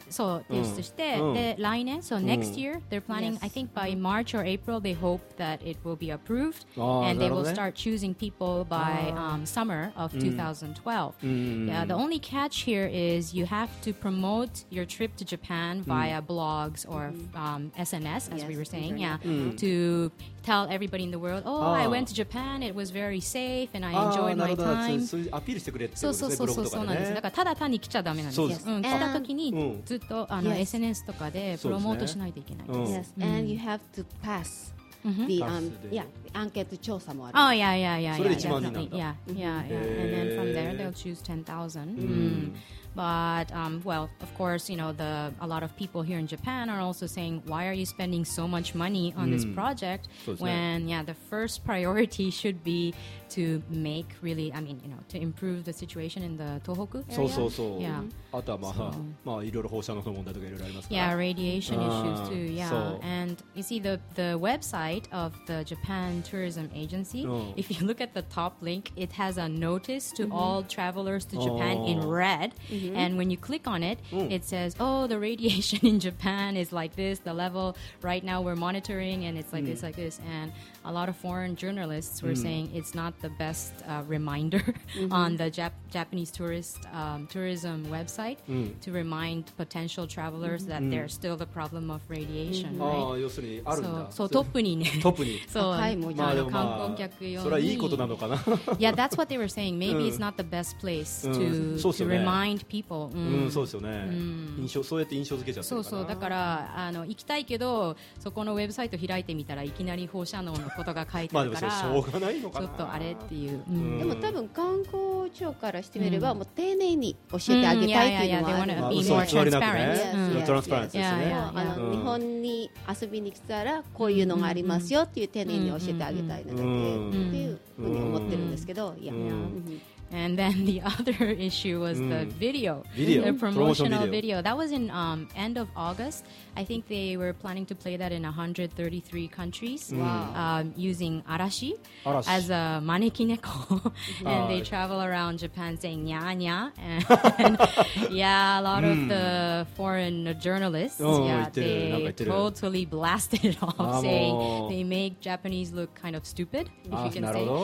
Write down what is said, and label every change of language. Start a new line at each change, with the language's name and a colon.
Japanese: そう、提出して、で、来年、
English: so next year, they're planning, I think by March or April, they hope that it will be approved, and they will start choosing people by summer of 2012. Yeah, the only catch here is you have to promote your trip to Japan via blogs or SNS, as we were saying, yeah, to tell everybody in the world, oh, I went to Japan, it was very safe, and I enjoyed my time.
Japanese: アピールしてくれってことですね、ブログとかでね。だからただ単に来ちゃダメなんです。来た時にずっとSNS とかでプロモートしないといけないです。
English: Yes, and you have to pass the
Japanese: アンケート調査もある。
English: Oh, yeah, yeah, yeah.
Japanese: それで1万人なんだ。
English: Yeah, yeah, yeah. And then from there, they'll choose 10,000. But, well, of course, you know, a lot of people here in Japan are also saying, why are you spending so much money on this project when, yeah, the first priority should be to make really, I mean, you know, to improve the situation in the Tohoku area.
Japanese: そう。
English: Yeah.
Japanese: あとは、いろいろ放射能の問題とかいろいろありますから。
English: Yeah, radiation issues too, yeah. And you see the website of the Japan Tourism Agency, if you look at the top link, it has a notice to all travelers to Japan in red. And when you click on it, it says, oh, the radiation in Japan is like this, the level right now we're monitoring, and it's like this, like this. And a lot of foreign journalists were saying it's not the best reminder on the Japanese tourist tourism website to remind potential travelers that there's still the problem of radiation, right?
Japanese: Ah, 要するにあるんだ。 So, トップにね。トップに。そう、まあでもまあ、観光客用に。それはいいことなのかな。
English: Yeah, that's what they were saying. Maybe it's not the best place to remind people.
Japanese: そうですよね。印象、そうやって印象付けちゃってるかな。そうそう、だから行きたいけど、そこのウェブサイト開いてみたらいきなり放射能のことが書いてるから、まあでもしょうがないのかな。ちょっとあれっていう。でも多分観光庁からしてみれば、もう丁寧に教えてあげたいっていうのはある。
English: Be more transparent.
Japanese: Transparency ですね。日本に遊びに来たらこういうのがありますよっていう丁寧に教えてあげたいなっていうふうに思ってるんですけど、いや。
English: And then the other issue was the video. Video. The promotional video. That was in end of August. I think they were planning to play that in 133 countries using Arashi as a maneki neko. And they travel around Japan saying nya nya. And yeah, a lot of the foreign journalists, they totally blasted it off saying they make Japanese look kind of stupid, if you can say.